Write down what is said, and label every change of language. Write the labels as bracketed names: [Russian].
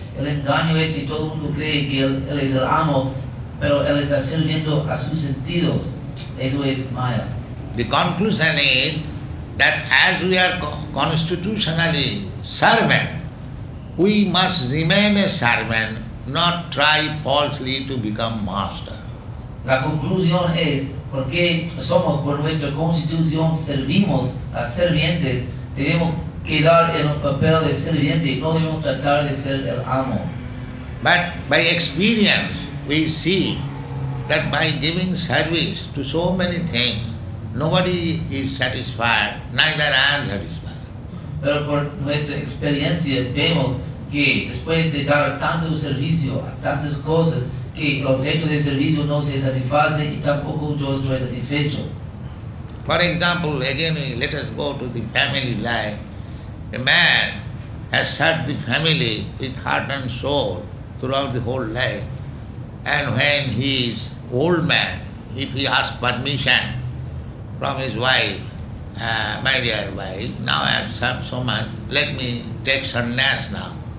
[Spanish] El engaño es que todo el mundo cree que él es el amo, pero él está sirviendo a sus sentidos. Eso es maya. [English] The conclusion is that as we are constitutionally servant, we must remain a servant, not try falsely to become master. [Spanish] La conclusión es, porque somos por nuestra constitución servimos a servientes, debemos quedar en el papel de serviente, no debemos tratar de ser el amo. [English] But by experience, we see that by giving service to so many things, nobody is satisfied, neither I am satisfied. [Spanish] Pero por nuestra experiencia vemos que después de dar tanto servicio a tantas cosas, que el objeto de servicio no se satisface y tampoco yo estoy satisfecho. [English] For example, again, let us go to the family life. A man has served the family with heart and soul throughout the whole life. And when he is old man, if he asks permission from his wife, my dear wife, now I have served so much, let me take sannyas now.